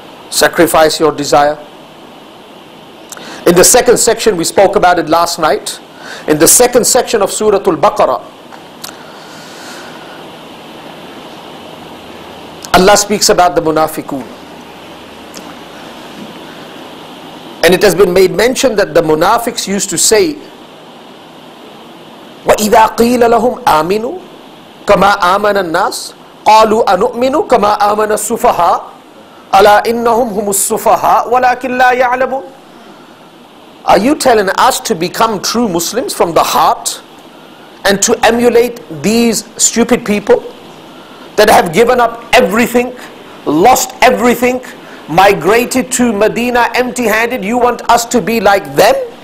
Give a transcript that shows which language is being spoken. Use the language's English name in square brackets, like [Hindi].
[English] Sacrifice your desire. In the second section, we spoke about it last night. In the second section of Surah Al-Baqarah, Allah speaks about the munafiqun. And it has been made mention that the munafiqs used to say, [Arabic] وَإِذَا قِيلَ لَهُمْ آمِنُوا كَمَا آمَنَ النَّاسِ قَالُوا أَنُؤْمِنُوا كَمَا آمَنَ السُّفَهَا أَلَا إِنَّهُمْ هُمُ السُّفَهَا وَلَكِنْ لَا يَعْلَمُونَ. [English] Are you telling us to become true Muslims from the heart and to emulate these stupid people that have given up everything, lost everything, migrated to Medina empty-handed? You want us to be like them?